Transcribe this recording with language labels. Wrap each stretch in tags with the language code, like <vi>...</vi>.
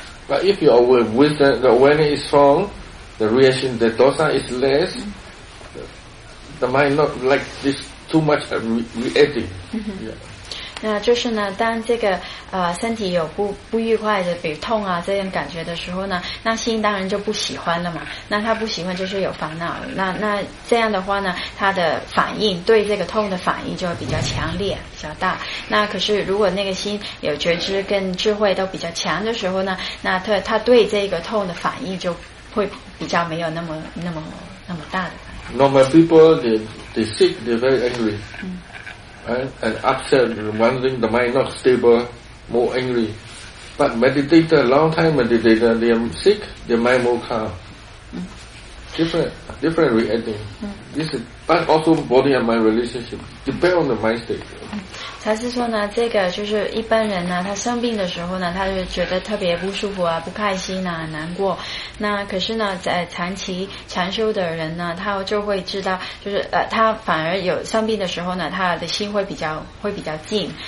<en>But if you are with the awareness is strong, the reaction, the dosa is less. The mind not like this too much reacting. Yeah.</en> <zh>那就是呢，当这个身体有不愉快的，比如痛啊这种感觉的时候呢，那心当然就不喜欢了嘛。那他不喜欢就是有烦恼。那这样的话呢，他的反应对这个痛的反应就比较强烈、比较大。那可是如果那个心有觉知跟智慧都比较强的时候呢，那他对这个痛的反应就会比较没有那么大的。</zh> <en>Normal people, they sick, they're very angry. Right? And upset, wondering the mind not stable, more angry. But meditator, long time meditator, they are sick, their mind more calm. Different reacting. This is, but also body and mind relationship, depend on the mind state.</en> <zh>他是说呢，这个就是一般人呢，他生病的时候呢，他就觉得特别不舒服啊，不开心啊，难过。那可是呢，在长期禅修的人呢，他就会知道，就是他反而有生病的时候呢，他的心会比较静。</zh>